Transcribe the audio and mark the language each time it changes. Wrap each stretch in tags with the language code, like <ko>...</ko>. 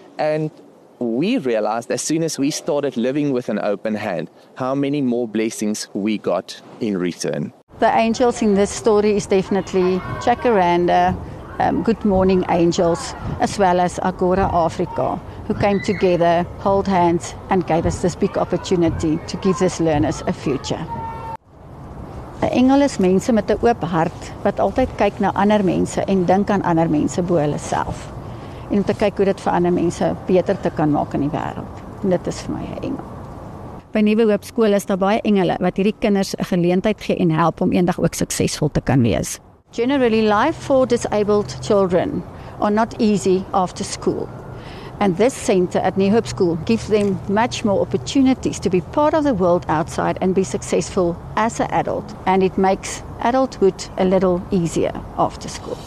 <en>And we realized as soon as we started living with an open hand, how many more blessings we got in return. The angels in this story is definitely Jacaranda, Good Morning Angels, as well as Agora Africa, who came together, hold hands, and gave us this big opportunity to give these learners a future.</en> <af>The engel is mense met 'n oop hart wat altyd kyk na ander mense en dink aan ander mense bo hulle self. En om te kyk hoe dit vir ander mense beter te kan maak in die wêreld. En dit is vir my 'n engel. By Nuwe Hoop Skool is daar baie engele wat hierdie kinders 'n geleentheid gee en help om eendag ook suksesvol te kan wees.</af> <en>Generally, life for disabled children are not easy after school. And this center at Nuwe Hoop Skool gives them much more opportunities to be part of the world outside and be successful as an adult. And it makes adulthood a little easier after school.</en>